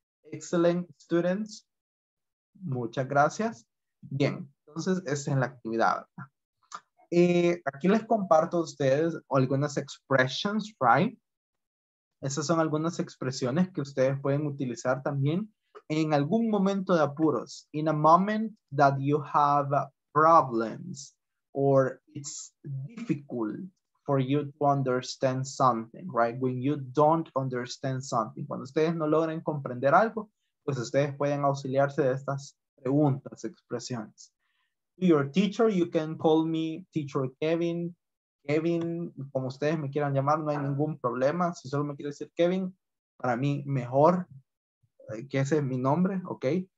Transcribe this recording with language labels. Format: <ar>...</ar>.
<en>Excellent students.</en> <es>Muchas gracias. Bien, entonces esa es la actividad. Aquí les comparto a ustedes algunas</es> <en>expressions, right?</en> <es>Esas son algunas expresiones que ustedes pueden utilizar también en algún momento de apuros.</es> <en>In a moment that you have problems or it's difficult for you to understand something, right? When you don't understand something.</en> <es>Cuando ustedes no logren comprender algo, pues ustedes pueden auxiliarse de estas preguntas, expresiones.</es> <en>To your teacher, you can call me teacher Kevin.</en> <es>Kevin, como ustedes me quieran llamar, no hay ningún problema. Si solo me quiere decir Kevin, para mí mejor, que ese es mi nombre, ¿ok?</es>